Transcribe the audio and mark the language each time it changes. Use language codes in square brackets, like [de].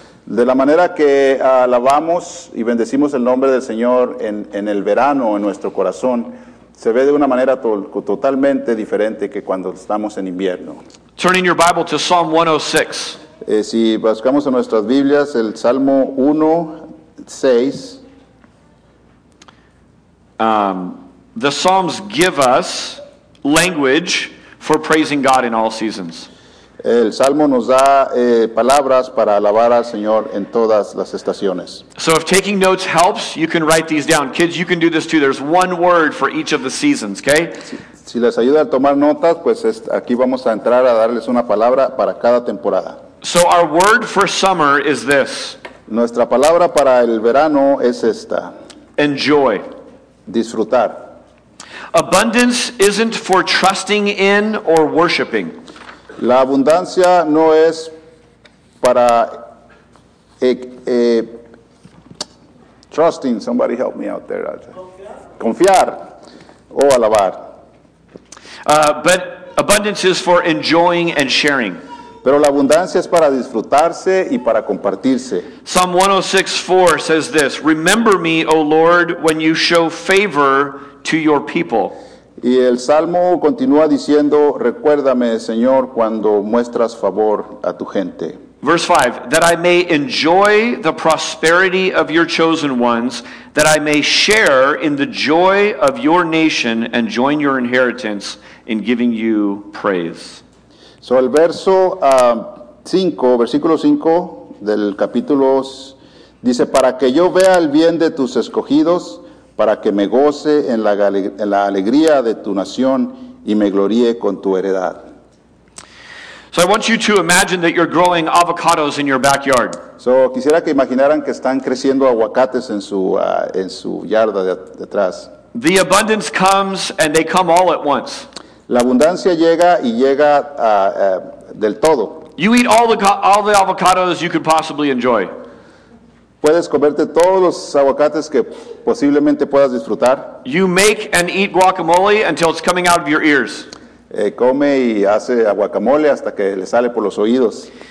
[es] De la manera que alabamos y bendecimos el nombre del Señor en el verano en nuestro corazón, se ve de una manera totalmente diferente que cuando estamos en invierno. [en] Turn in your Bible to Psalm 106. [es] Si buscamos en nuestras Biblias el Salmo 1:6, [en] the Psalms give us language for praising God in all seasons. [es] El Salmo nos da palabras para alabar al Señor en todas las estaciones. [en] So if taking notes helps, you can write these down. Kids, you can do this too. There's one word for each of the seasons, okay? [es] Si les ayuda a tomar notas, pues aquí vamos a entrar a darles una palabra para cada temporada. [en] So our word for summer is this. [es] Nuestra palabra para el verano es esta. [en] Enjoy. [es] Disfrutar. [en] Abundance isn't for trusting in or worshiping. [es] La abundancia no es para trusting. [en] Somebody help me out there. [es] Confiar o alabar. [en] But abundance is for enjoying and sharing. [es] Pero la abundancia es para disfrutarse y para compartirse. [en] Psalm 106:4 says this, "Remember me, O Lord, when you show favor to your people." [es] Y el salmo continúa diciendo, "Recuérdame, Señor, cuando muestras favor a tu gente." [en] Verse 5, "That I may enjoy the prosperity of your chosen ones, that I may share in the joy of your nation and join your inheritance in giving you praise." [es] So el verso 5, versículo 5 del capítulo dice, para que yo vea el bien de tus escogidos, para que me goce en la alegría de tu nación y me gloríe con tu heredad. [en] So I want you to imagine that you're growing avocados in your backyard. [es] So quisiera que imaginaran que están creciendo aguacates en su yarda detrás. [en] The abundance comes and they come all at once. [es] La abundancia llega y llega del todo. [en] You eat all the avocados you could possibly enjoy. [es] Puedes comerte todos los aguacates que posiblemente puedas disfrutar. [en] You make and eat guacamole until it's coming out of your ears. [es] Come y hace guacamole hasta que le sale por los oídos.